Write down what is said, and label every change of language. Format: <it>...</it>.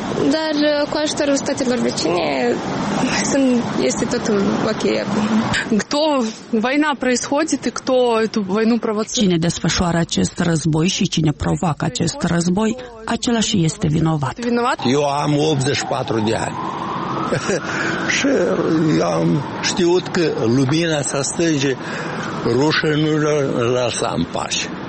<ro>Dar cu ajutorul statelor vecine este totul ok acum.</ro> <ru>Кто война происходит и кто эту войну провоцирует?</ru> <ro>Cine desfășoară acest război și cine provoacă acest război, același este vinovat. Eu am 84 de ani. Și eu am știut că lumina se stânge, rușii nu lăsa în pași.</ro>